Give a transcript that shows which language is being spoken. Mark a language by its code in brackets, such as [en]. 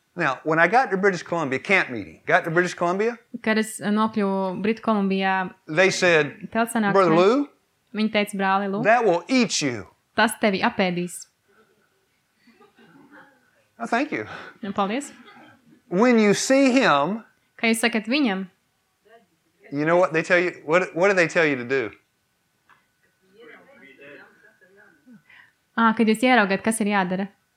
[en] Now, when I got to British Columbia camp meeting, got to British Columbia? [lv] Kad es nokļuvu Britu Kolumbijā. [en] They said, Brother Lou? [lv] Viņi teica, brāli Lou. [en] That will eat you. [lv] Tas tevi apēdīs. [en] Oh, thank you. [lv] Un paldies. [en] When you see him, [lv] kad jūs sakat viņam, [en] you know what they tell you, what do they tell you to do? [lv] Kad jūs ieraugat, kas ir jādara?